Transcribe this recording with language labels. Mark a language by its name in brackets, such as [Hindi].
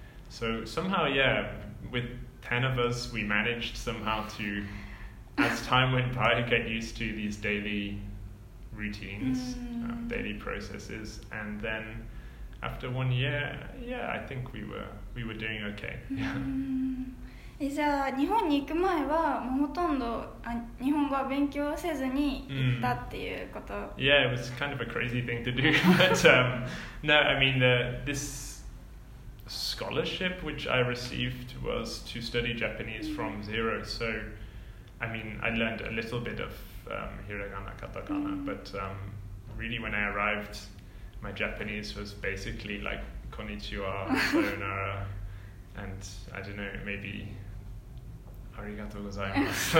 [English] So somehow, yeah, with 10 of us, we managed somehow to, as time went by, get used to these daily routines, daily processes, and then after 1 year, yeah, I think we were doing okay. [Japanese] じゃあ日本に行く前はもうほとんど日本語は勉強せずに行ったっていうこと。 [English] Yeah, it was kind of a crazy thing to do, but no, I mean this scholarship which I received was to study Japanese from zero. So, I mean, I learned a little bit of hiragana, katakana, but really when I arrived, my Japanese was basically like konnichiwa, sayonara, and I don't know, maybe [Japanese] arigatou gozaimasu.